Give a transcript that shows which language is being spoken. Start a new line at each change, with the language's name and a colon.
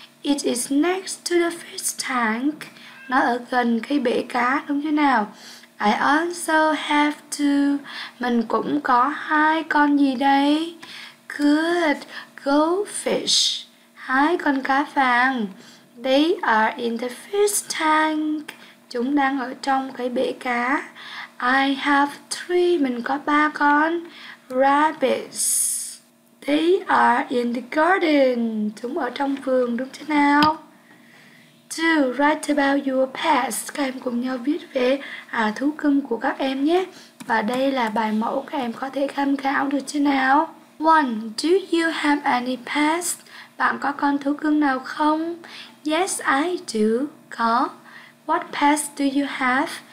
English: It is next to the fish tank.
Vietnamese: Nó ở gần cái bể cá đúng chưa nào?
English: I also have 2.
Vietnamese: Mình cũng có 2 con gì đây?
English: Good goldfish.
Vietnamese: 2 con cá vàng.
English: They are in the fish tank.
Vietnamese: Chúng đang ở trong cái bể cá.
English: I have three.
Vietnamese: Mình có ba con rabbits.
English: They are in the garden.
Vietnamese: Chúng ở trong vườn, đúng chứ nào?
English: Two, write about your pets.
Vietnamese: Các em cùng nhau viết về thú cưng của các em nhé. Và đây là bài mẫu các em có thể tham khảo, được chứ nào?
English: One, do you have any pets?
Vietnamese: Bạn có con thú cưng nào không?
English: Yes, I do.
Vietnamese: Có.
English: What pets do you have?